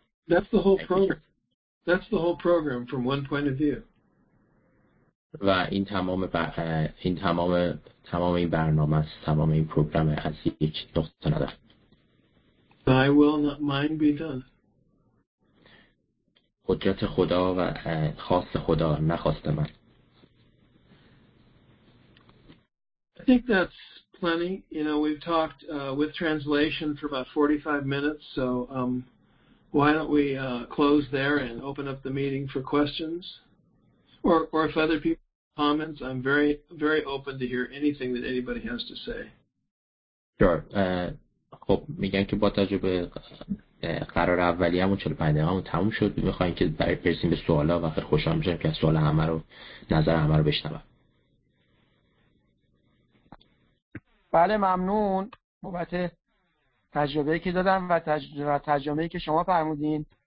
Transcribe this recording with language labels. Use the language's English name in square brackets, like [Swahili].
[English] That's the whole program from one point of view. [Persian] و این تمام این برنامه از یک نقطه نظر. [English] Thy will not mine be done. [Persian] قدرت خدا و خواست خدا نخواست من. [English] I think that's plenty. You know, we've talked with translation for about 45 minutes, so why don't we close there and open up the meeting for questions? Or if other people have comments, I'm very, very open to hear anything that anybody has to say. Sure. [Persian] خب میگن که با توجه به قرار اولیه‌مون 45 دقیقه‌مون تموم شد، می‌خواید که برای پرسیم به سوالا و خیلی خوشحال می‌شم که سوال همه رو نظر همه رو بشنوم. بله ممنون بابت تجربه‌ای که دادم و تجربه‌ای که شما فرمودین.